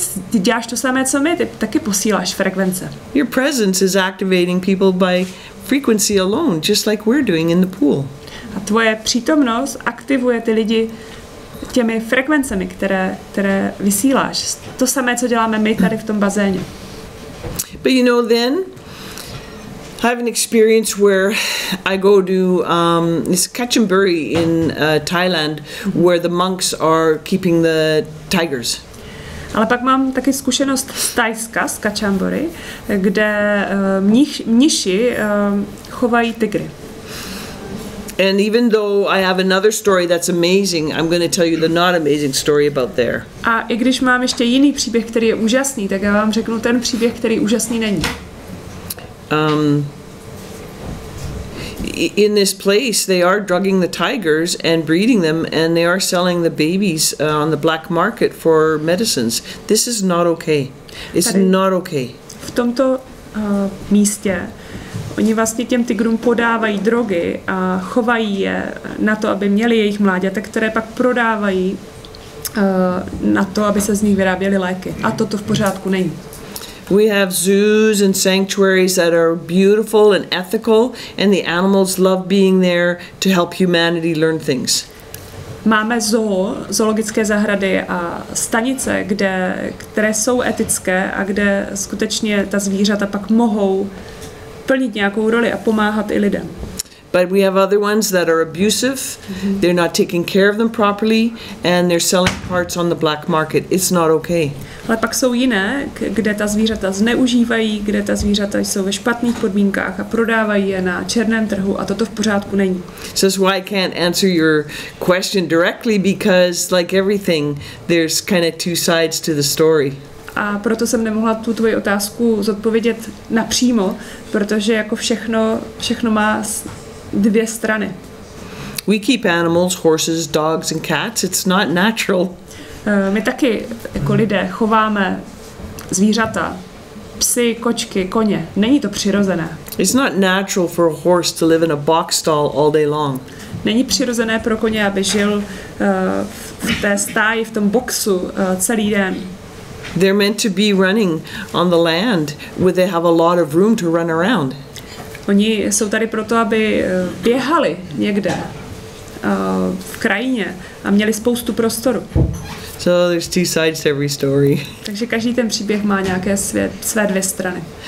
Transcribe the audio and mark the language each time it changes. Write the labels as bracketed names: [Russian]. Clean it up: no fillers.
[Czech] Ty děláš to samé, co my, ty taky posíláš frekvence. [English] Your presence is activating people by frequency alone, just like we're doing in the pool. [Czech] A tvoje přítomnost aktivuje ty lidi těmi frekvencemi, které vysíláš. To samé, co děláme my tady v tom bazéně. [English] But you know, then I have an experience where I go to it's Kachemburi in Thailand, where the monks are keeping the tigers. [Czech] Ale pak mám taky zkušenost z Thajska, z Kachemburi, kde mniši chovají tygry. [English] And even though I have another story that's amazing, I'm going to tell you the not amazing story about there. [Czech] A i když mám ještě jiný příběh, který je úžasný, tak já vám řeknu ten příběh, který úžasný není. [English] In this place, they are drugging the tigers and breeding them, and they are selling the babies on the black market for medicines. This is not okay. It's [Czech] tady, [English] not okay. [Czech] V tomto místě oni vlastně těm tigrům podávají drogy a chovají je na to, aby měli jejich mláďata, které pak prodávají na to, aby se z nich vyráběly léky. A toto v pořádku není. [English] We have zoos and sanctuaries that are beautiful and ethical, and the animals love being there to help humanity learn things. [Czech] máme zoo, zoologické zahrady a stanice, kde, které jsou etické a kde skutečně ta zvířata pak mohou plnit nějakou roli a pomáhat i lidem. [English] But we have other ones that are abusive, they're not taking care of them properly, and they're selling parts on the black market. It's not okay. [Czech] Ale pak jsou jiné, kde ta zvířata zneužívají, kde ta zvířata jsou ve špatných podmínkách a prodávají je na černém trhu a toto v pořádku není. [English] So that's why I can't answer your question directly, because like everything, there's kind of two sides to the story. [Czech] A proto jsem nemohla tu tvoji otázku zodpovědět napřímo, protože jako všechno má dvě strany. [English] We keep animals, horses, dogs and cats. It's not natural. [Czech] My taky jako lidé chováme zvířata, psy, kočky, koně. Není to přirozené. [English] It's not natural for a horse to live in a box stall all day long. [Czech] Není přirozené pro koně, aby žil v té stáji, v tom boxu celý den. [English] They're meant to be running on the land where they have a lot of room to run around. [Czech] Oni jsou tady proto, aby běhali někde v krajině a měli spoustu prostoru. [English] So there's two sides to every story. [Czech] Takže každý ten příběh má nějaké své dvě strany.